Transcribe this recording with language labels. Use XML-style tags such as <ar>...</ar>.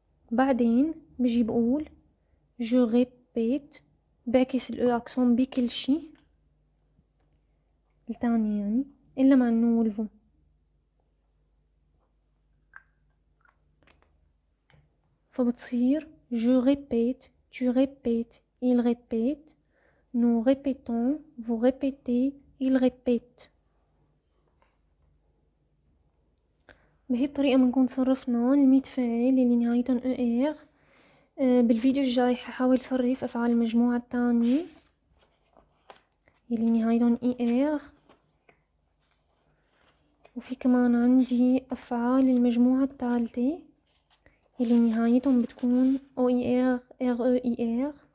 <ar>بعدين بجي بقول جو ريبيت بعكس الاو اكسون بكل شي التاني يعني الا مع النو والفو. فبتصير جو ريبيت</ar> <fr>tu répètes il répète nous répétons vous répétez il répète.</fr> <ar>بهي الطريقة بنكون صرفنا الميت فاعل اللي نهايتهن او ايغ. بالفيديو الجاي ححاول صرف افعال المجموعة الثانية اللي نهايتهن اي ايغ، وفي كمان عندي افعال المجموعة الثالثة اللي نهايتهم بتكون او اي ار ار او اي ار.</ar>